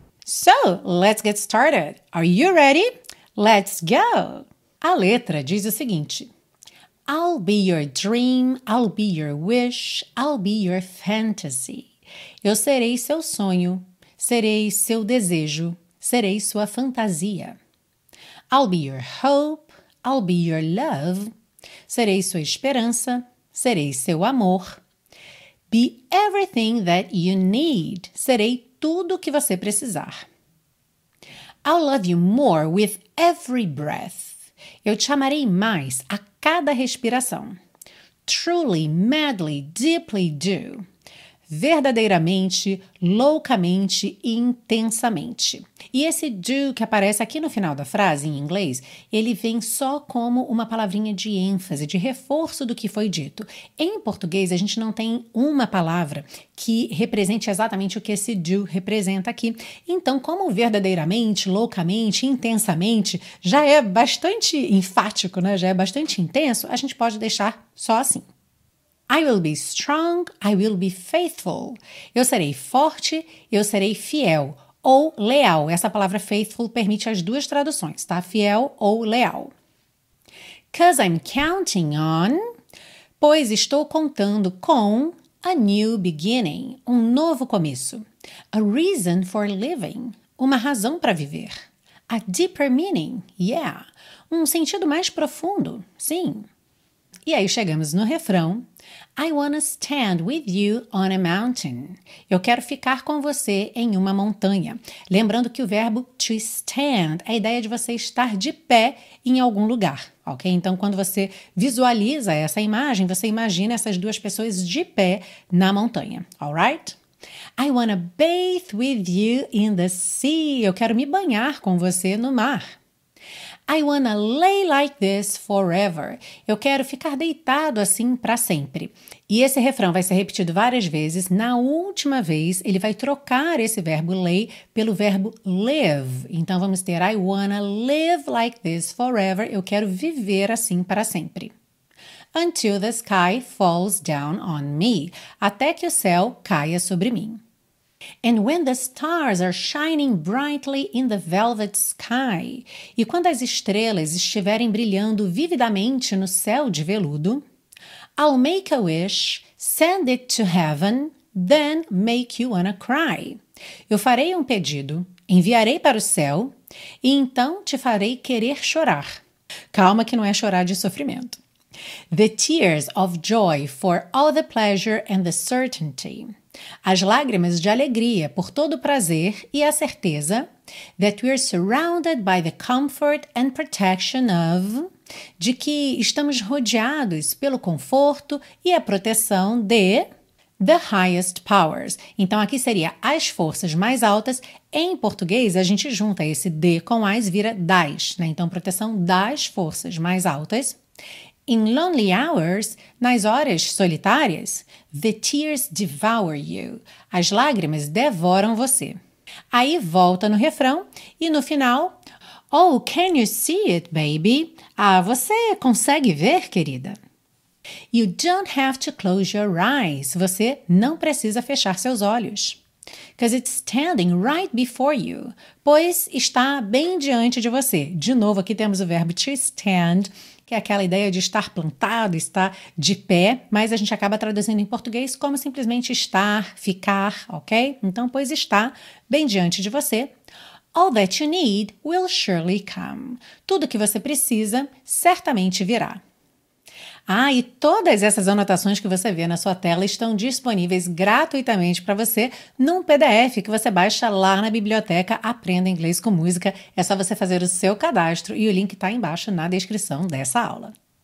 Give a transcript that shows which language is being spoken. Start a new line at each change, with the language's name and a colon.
English: So, let's get started. Are you ready? Let's go!
Portuguese: A letra diz o seguinte:
English: I'll be your dream, I'll be your wish, I'll be your fantasy.
Portuguese: Eu serei seu sonho, serei seu desejo, serei sua fantasia.
English: I'll be your hope, I'll be your love.
Portuguese: Serei sua esperança, serei seu amor.
English: Be everything that you need.
Portuguese: Serei tudo o que você precisar.
English: I'll love you more with every breath.
Portuguese: Eu te amarei mais a cada respiração.
English: Truly, madly, deeply do.
Portuguese: Verdadeiramente, loucamente, intensamente. E esse do que aparece aqui no final da frase em inglês, ele vem só como uma palavrinha de ênfase, de reforço do que foi dito. Em português, a gente não tem uma palavra que represente exatamente o que esse do representa aqui. Então, como verdadeiramente, loucamente, intensamente, já é bastante enfático, né? Já é bastante intenso, a gente pode deixar só assim.
English: I will be strong, I will be faithful.
Portuguese: Eu serei forte, eu serei fiel ou leal. Essa palavra faithful permite as duas traduções, tá? Fiel ou leal.
English: 'Cause I'm counting on,
Portuguese: pois estou contando com,
English: a new beginning,
Portuguese: um novo começo.
English: A reason for living,
Portuguese: uma razão para viver.
English: A deeper meaning, yeah,
Portuguese: um sentido mais profundo, sim. E aí chegamos no refrão.
English: I wanna stand with you on a mountain.
Portuguese: Eu quero ficar com você em uma montanha. Lembrando que o verbo to stand é a ideia de você estar de pé em algum lugar, ok? Então, quando você visualiza essa imagem, você imagina essas duas pessoas de pé na montanha, alright?
English: I wanna bathe with you in the sea.
Portuguese: Eu quero me banhar com você no mar.
English: I wanna lay like this forever.
Portuguese: Eu quero ficar deitado assim para sempre. E esse refrão vai ser repetido várias vezes. Na última vez, ele vai trocar esse verbo lay pelo verbo live. Então, vamos ter
English: I wanna live like this forever.
Portuguese: Eu quero viver assim para sempre.
English: Until the sky falls down on me.
Portuguese: Até que o céu caia sobre mim.
English: And when the stars are shining brightly in the velvet sky.
Portuguese: E quando as estrelas estiverem brilhando vividamente no céu de veludo,
English: I'll make a wish, send it to heaven, then make you wanna cry.
Portuguese: Eu farei um pedido, enviarei para o céu, e então te farei querer chorar. Calma que não é chorar de sofrimento.
English: The tears of joy for all the pleasure and the certainty.
Portuguese: As lágrimas de alegria por todo o prazer e a certeza
English: that we are surrounded by the comfort and protection of,
Portuguese: de que estamos rodeados pelo conforto e a proteção de
English: the highest powers.
Portuguese: Então, aqui seria as forças mais altas. Em português, a gente junta esse de com as, vira das, né? Então, proteção das forças mais altas.
English: In lonely hours,
Portuguese: nas horas solitárias,
English: the tears devour you.
Portuguese: As lágrimas devoram você. Aí volta no refrão e no final,
English: oh, can you see it, baby?
Portuguese: Ah, você consegue ver, querida?
English: You don't have to close your eyes.
Portuguese: Você não precisa fechar seus olhos.
English: Because it's standing right before you.
Portuguese: Pois está bem diante de você. De novo, aqui temos o verbo to stand, que é aquela ideia de estar plantado, estar de pé, mas a gente acaba traduzindo em português como simplesmente estar, ficar, ok? Então, pois está bem diante de você.
English: All that you need will surely come.
Portuguese: Tudo que você precisa certamente virá. Ah, e todas essas anotações que você vê na sua tela estão disponíveis gratuitamente para você num PDF que você baixa lá na biblioteca Aprenda Inglês com Música. É só você fazer o seu cadastro e o link está embaixo na descrição dessa aula.